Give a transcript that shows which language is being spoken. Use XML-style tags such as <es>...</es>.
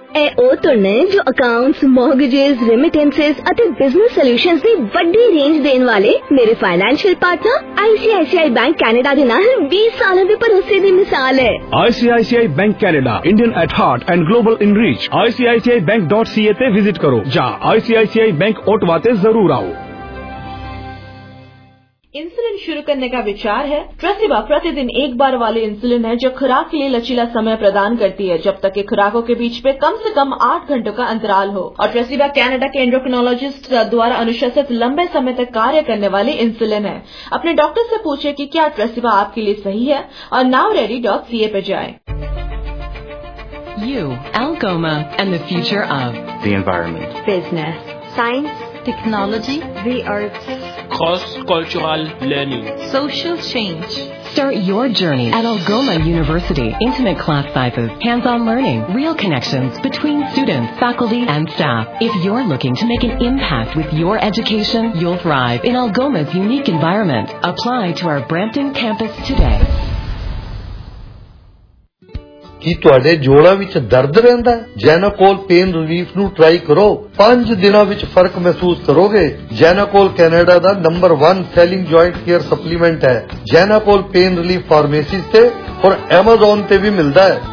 <pa>ਇਹ ਉਹ ਧੁਨ ਹੈ ਜੋ ਅਕਾਊਂਟਸ, ਮੌਰਗੇਜਸ, ਰੇਮਿਟੈਂਸਿਸ ਅਤੇ ਬਿਜ਼ਨਸ ਸੋਲੂਸ਼ਨਸ ਦੀ ਵੱਡੀ ਰੇਂਜ ਦੇਣ ਵਾਲੇ ਮੇਰੇ financial partner ICICI bank Canada ਦੇ ਨਾਲ 20 ਸਾਲਾਂ ਦੇ ਭਰੋਸੇ ਦੀ ਮਿਸਾਲ ਹੈ।</pa> <en>ICICI bank Canada, Indian at heart and global in reach.</en> <pa>ICICI bank.ca ਤੇ ਵਿਜ਼ਿਟ ਕਰੋ ਜਾਂ ICICI ਬੈਂਕ ਓਟਵਾ ਤੇ ਜ਼ਰੂਰ ਆਓ।</pa> <hi>इंसुलिन शुरू करने का विचार है? ट्रेसिबा प्रतिदिन एक बार वाले इंसुलिन है जो खुराक के लिए लचीला समय प्रदान करती है, जब तक कि खुराकों के बीच में कम से कम 8 घंटों का अंतराल हो। और ट्रेसिबा कनाडा के एंडोक्रिनोलॉजिस्ट द्वारा अनुशासित लंबे समय तक कार्य करने वाले इंसुलिन है। अपने डॉक्टर से पूछे कि क्या ट्रेसिबा आपके लिए सही है और nowready.ca पर जाएं।</hi> <en>You Algoma and the future of the environment, business, science, technology, the arts, cross-cultural learning, social change. Start your journey at Algoma University. Intimate class sizes, hands-on learning, real connections between students, faculty, and staff. If you're looking to make an impact with your education, you'll thrive in Algoma's unique environment. Apply to our Brampton campus today.</en> <pa>ਕੀ ਤੁਹਾਡੇ ਜੋੜਾਂ ਵਿੱਚ ਦਰਦ ਰਹਿੰਦਾ? ਜੈਨਾਕੋਲ pain relief ਨੂੰ try ਕਰੋ, 5 ਦਿਨਾਂ ਵਿੱਚ ਫਰਕ ਮਹਿਸੂਸ ਕਰੋਗੇ। ਜੈਨਾਕੋਲ ਕੈਨੇਡਾ ਦਾ number 1 selling joint care supplement ਹੈ। ਜੈਨਾਕੋਲ ਪੇਨ ਰਿਲੀਫ ਫਾਰਮੇਸੀ ਤੇ ਔਰ ਐਮਾਜ਼ੋਨ ਤੇ ਵੀ ਮਿਲਦਾ ਹੈ।</pa>